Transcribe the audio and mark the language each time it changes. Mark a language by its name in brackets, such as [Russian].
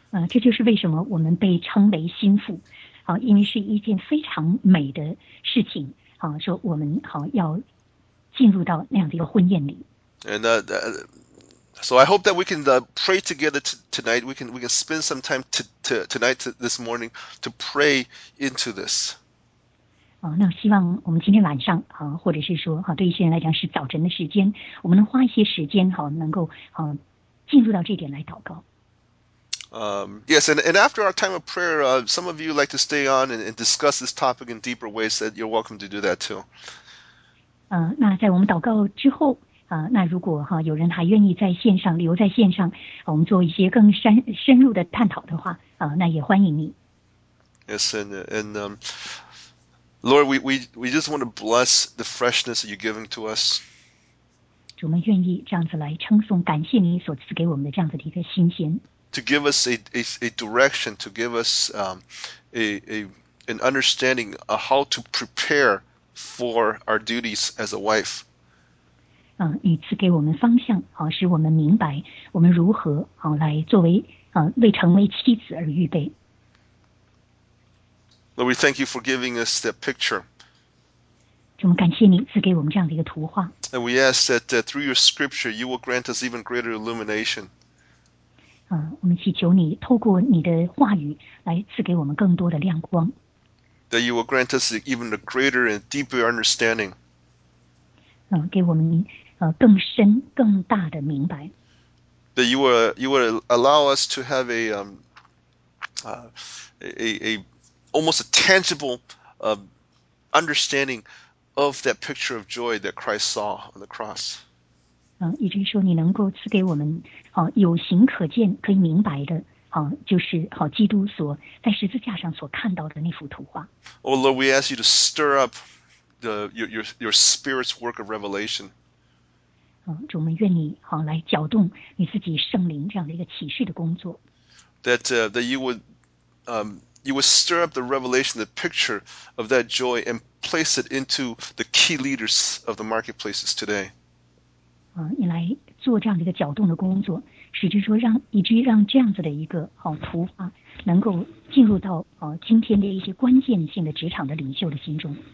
[Chinese] 这就是为什么我们被称为新妇，因为是一件非常美的事情，说我们要进入到那样的一个婚宴里。 [English] So I hope that we can pray together tonight. We can spend some time tonight this morning to pray into this. [Chinese] 那希望我们今天晚上或者是说对一些人来讲是早晨的时间，我们能花一些时间能够进入到这点来祷告。 [English] Yes, and after our time of prayer, some of you like to stay on and discuss this topic in deeper ways. That you're welcome to do that too. [Chinese] 那在我们祷告之后。那如果有人还愿意在线上留在线上，我们做一些更深入的探讨的话，那也欢迎你。 [English] Yes, and Lord, we just want to bless the freshness that you're giving to us. [Chinese] 主，我们愿意这样子来称颂，感谢你所赐给我们的这样子的一个新鲜。 [English] To give us a direction, to give us an understanding of how to prepare for our duties as a wife. [Chinese] 你赐给我们方向使我们明白我们如何来作为为成为妻子而预备。 [English] Lord, we thank you for giving us that picture. [Chinese] 我们感谢你赐给我们这样的一个图画。 [English] And we ask that through your scripture, you will grant us even greater illumination. [Chinese] 我们祈求你透过你的话语来赐给我们更多的亮光。 [English] That you will grant us even a greater and deeper understanding. [Chinese] 给我们更深更大的明白。 [English] That you will allow us to have a almost a tangible understanding of that picture of joy that Christ saw on the cross. [Chinese] 以至于说你能够赐给我们有形可见可以明白的就是基督所在十字架上所看到的那幅图画。 [English] Oh Lord, we ask you to stir up. Your spirit's work of revelation. [Chinese] 主，我们愿你来搅动你自己圣灵这样的一个启示的工作。 [English] That you would stir up the revelation, the picture of that joy, and place it into the key leaders of the marketplaces today. [Chinese] 你来做这样的一个搅动的工作，使之说让以至于让这样子的一个图画能够进入到今天的一些关键性的职场的领袖的心中。